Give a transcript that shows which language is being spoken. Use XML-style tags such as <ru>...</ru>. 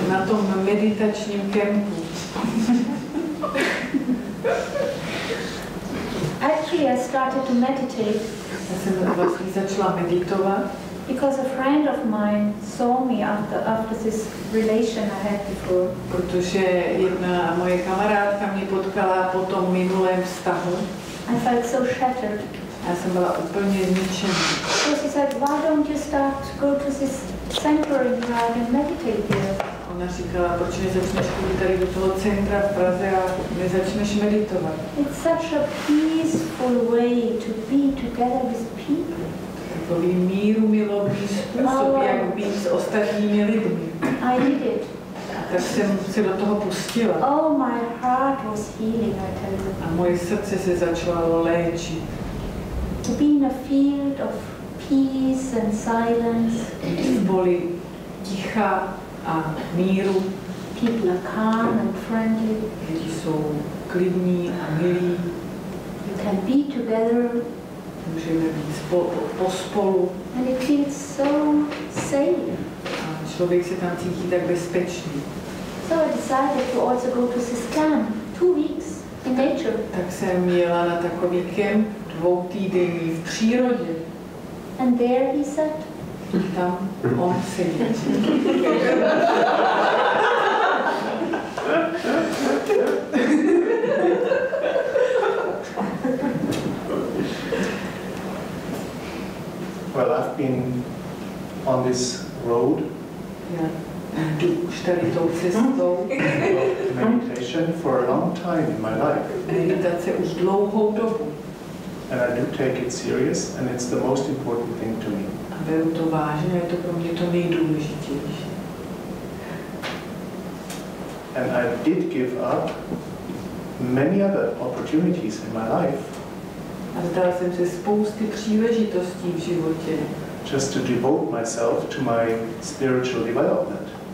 <cs>Na tom meditačním kempu.</cs> <en>Actually, I started to meditate.</en> <cs>Já jsem vlastně začala meditovat.</cs> <en>Because a friend of mine saw me after this relation I had before.</en> <cs>Protože jedna moje kamarádka mě potkala po tom minulém vztahu.</cs> <en>I felt so shattered.</en> <cs>Já jsem byla úplně zničená.</cs> <en>So she said, why don't you start to go to this sanctuary in Prague and meditate here?</en> <cs>Ona říkala, proč nezačneš chodit tady do toho centra v Praze a nezačneš meditovat.</cs> <en>It's such a peaceful way to be together with people.</en> <cs>Takový míru milovný způsob, jak být s ostatními lidmi.</cs> <en>I did it.</en> <cs>Tak jsem se do toho pustila.</cs> <en>Oh, my heart was healing, I tell you.</en> <cs>A moje srdce se začalo léčit.</cs> <en>To be in a field of peace and silence.</en> <cs>Boli ticha a míru.</cs> <en>People are calm and friendly.</en> <cs>Lidi jsou klidní a milí.</cs> <en>We can be together.</en> <cs>Můžeme být pospolu.</cs> <en>And it feels so safe.</en> <cs>A člověk se tam cítí tak bezpečný.</cs> <en>So I decided to also go to this camp, 2 weeks in nature.</en> <cs>Tak jsem jela na takový kemp, 2 týdny v přírodě.</cs> <en>And there he sat.</en> <cs>Tam on seděl.</cs> <en>Well, I've been on this road. Yeah.</en> <cs>Už tady tou cestou.</cs> <en>Meditation for a long time in my life.</en> <cs>Meditace už dlouhou dobu.</cs> <en>And I do take it serious, and it's the most important thing to me.</en> <cs>A beru to vážně, je to pro mě to nejdůležitější.</cs> <en>And I did give up many other opportunities in my life.</en> <cs>A vzdal jsem se spousty příležitostí v životě.</cs> <en>Just to devote myself to my spiritual development.</en>